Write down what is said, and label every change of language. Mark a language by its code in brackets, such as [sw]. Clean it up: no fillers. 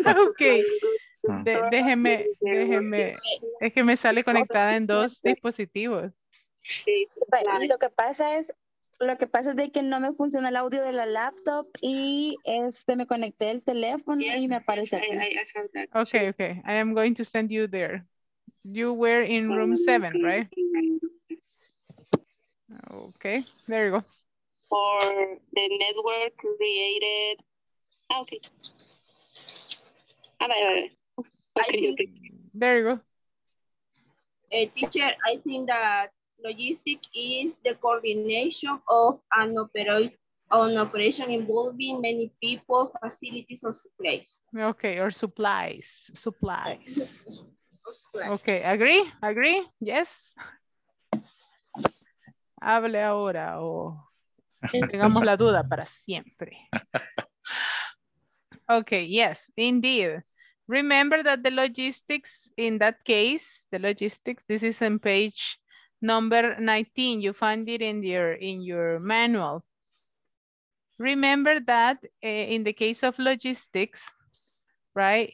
[en] Okay. [es] Déjeme. Es que me sale conectada en dos dispositivos. Lo que pasa es de que no me funciona el audio de la laptop y me conecté el teléfono y me aparece. [en] Okay. I am going to send you there. You were in room 7, right? Okay, there you go. For the network created. Okay. There you go. Teacher, I think that logistics is the coordination of an operation involving many people, facilities, or supplies. Okay, or supplies. Supplies. Okay, agree, yes. [es] Hable ahora o tengamos la duda para siempre. [en] Okay, yes, indeed. Remember that the logistics in that case, the logistics, this is on page number 19. You find it in your manual. Remember that in the case of logistics, right?